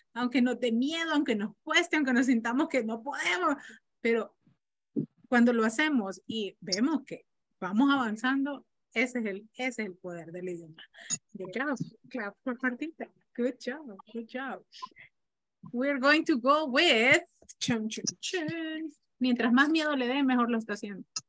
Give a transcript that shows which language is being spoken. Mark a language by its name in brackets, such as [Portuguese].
[Spanish] Aunque nos dé miedo, aunque nos cueste, aunque nos sintamos que no podemos, pero cuando lo hacemos y vemos que vamos avanzando, ese es el poder del idioma. [English] Good job, clap for Martita. Good job, good job. We're going to go with chum, chum, chum. [Spanish] Mientras más miedo le dé, mejor lo está haciendo.